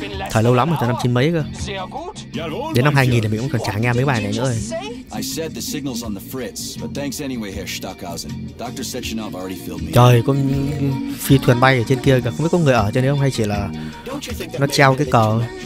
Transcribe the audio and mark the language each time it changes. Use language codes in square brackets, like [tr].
[vi] Thời lâu lắm rồi, từ năm 90 mấy cơ. Đến năm 2000 thì mình cũng còn chả nghe mấy bài này nữa rồi. [en] I said the signal's on the fritz, but thanks anyway, Herr Stockhausen. Dr. Sechenov already filled me. [vi] Trời, con phi thuyền bay ở trên kia kìa, không biết có người ở trên đấy không, hay chỉ là nó treo cái cờ.